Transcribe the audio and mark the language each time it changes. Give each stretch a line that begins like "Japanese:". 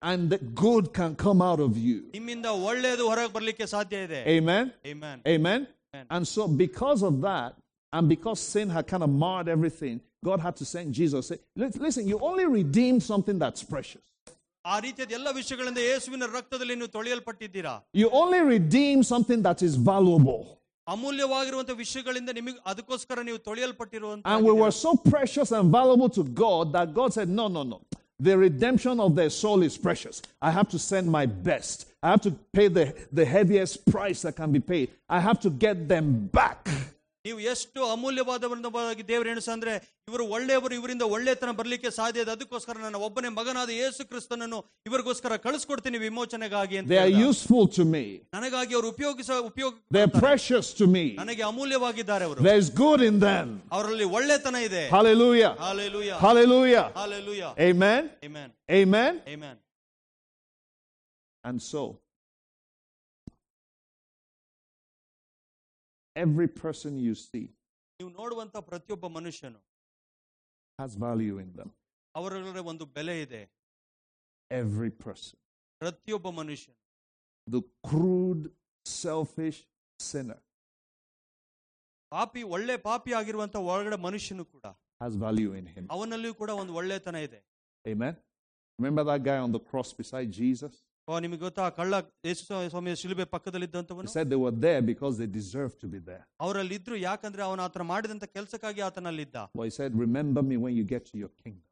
English: And the good can come out of you.
Kannada: ನಿಮ್ಮಿಂದ ಒಳ್ಳೆಯದು ಹೊರಗೆ ಬರಲಿಕ್ಕೆ ಸಾಧ್ಯ ಇದೆ.
English: Amen. Amen. Amen. And so because of that, and because sin had kind of marred everything, God had to send Jesus. Say, listen, you only redeemed something that's precious.
Kannada: ಆ ರೀತಿಯ ಎಲ್ಲ ವಿಷಯಗಳಿಂದ ಯೇಸುವಿನ ರಕ್ತದಲ್ಲಿ ನೀವು ತೊಳೆಯಲ್ಪಟ್ಟಿದ್ದೀರಾ.
English: You only redeem something that is valuable.
Kannada: ಅಮೂಲ್ಯವಾಗಿರುವಂತಹ ವಿಷಯಗಳಿಂದ ನಿಮಗೆ ಅದಕ್ಕೋಸ್ಕರ ನೀವು ತೊಳೆಯಲ್ಪಟ್ಟಿರುವಂತಹ.
English: And we were so precious and valuable to God that God said, no. The redemption of their soul is precious. I have to send my best. I have to pay the heaviest price that can be paid. I have to get them back.
Kannada: ನೀವು ಎಷ್ಟು ಅಮೂಲ್ಯವಾದವರಿಂದ ದೇವರು ಎಣಿಸ ಅಂದ್ರೆ ಇವರು ಒಳ್ಳೆಯವರು ಇವರಿಂದ ಒಳ್ಳೆತನ ಬರಲಿಕ್ಕೆ ಸಾಧ್ಯ ಇದೆ ಅದಕ್ಕೋಸ್ಕರ ನನ್ನ ಒಬ್ಬನೇ ಮಗನಾದ ಯೇಸು ಕ್ರಿಸ್ತನನ್ನು ಇವರಿಗೋಸ್ಕರ ಕಳಿಸ್ಕೊಡ್ತೀನಿ ವಿಮೋಚನೆಗಾಗಿ ಅಂತ.
English: They are useful to me.
Kannada: ನನಗಾಗಿ ಅವರು ಉಪಯೋಗ.
English: They are precious to me.
Kannada: ನನಗೆ ಅಮೂಲ್ಯವಾಗಿದ್ದಾರೆ ಅವರು.
English: There is good in them.
Kannada: ಅವರಲ್ಲಿ ಒಳ್ಳೆತನ ಇದೆ.
English: Hallelujah. Hallelujah. Hallelujah. Hallelujah. Amen. Amen. Amen. Amen. And so every person you see,
Kannada: ನೀವು ನೋಡುವಂತ ಪ್ರತಿಯೊಬ್ಬ ಮನುಷ್ಯನು,
English: has value in them.
Kannada: ಅವರಲ್ಲಿ ಒಂದು ಬೆಲೆ ಇದೆ.
English: Every person,
Kannada: ಪ್ರತಿಯೊಬ್ಬ ಮನುಷ್ಯನು,
English: the crude, selfish sinner,
Kannada: ಪಾಪಿ ಒಳ್ಳೆ ಪಾಪಿ ಆಗಿರುವಂತ ಒಳಗಡೆ ಮನುಷ್ಯನು ಕೂಡ,
English: has value in him.
Kannada: ಅವನಲ್ಲಿಯೂ ಕೂಡ ಒಂದು ಒಳ್ಳೆತನ ಇದೆ.
English: Amen. Remember that guy on the cross beside Jesus? He said they were there because they deserved to be there. Well, he said, remember me when you get to your kingdom.